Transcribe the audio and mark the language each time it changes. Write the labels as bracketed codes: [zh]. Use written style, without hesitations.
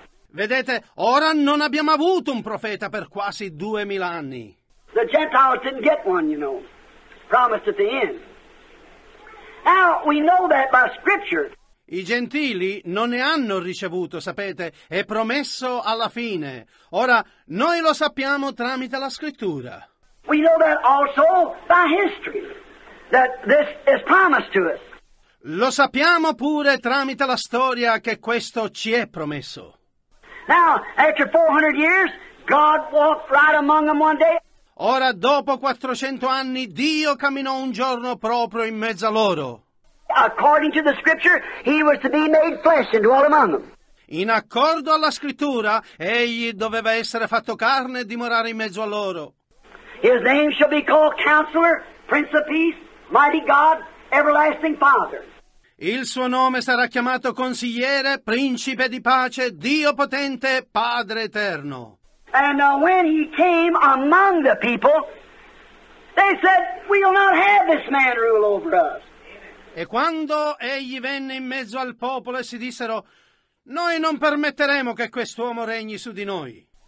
[it] Vedete, ora non abbiamo avuto un profeta per quasi 2,000 anni. [en] The Gentiles didn't get one, you know, promised at the end. Now, we know that by Scripture. [it] I gentili non ne hanno ricevuto, sapete, è promesso alla fine. Ora, noi lo sappiamo tramite la scrittura. [en] We know that also by history, that this is promised to us. [it] Lo sappiamo pure tramite la storia che questo ci è promesso. [en] Now, after 400 years, God walked right among them one day. [it] Ora, dopo 400 anni, Dio camminò un giorno proprio in mezzo a loro. [en] According to the scripture, he was to be made flesh and dwell among them. [it] In accordo alla scrittura, egli doveva essere fatto carne e dimorare in mezzo a loro. [en] His name shall be called Counselor, Prince of Peace, Mighty God, Everlasting Father. [it] Il suo nome sarà chiamato Consigliere, Principe di Pace, Dio Potente, Padre Eterno. [en] And when he came among the people, they said, we'll not have this man rule over us. [it] E quando egli venne in mezzo al popolo e si dissero, noi non permetteremo che quest'uomo regni su di noi.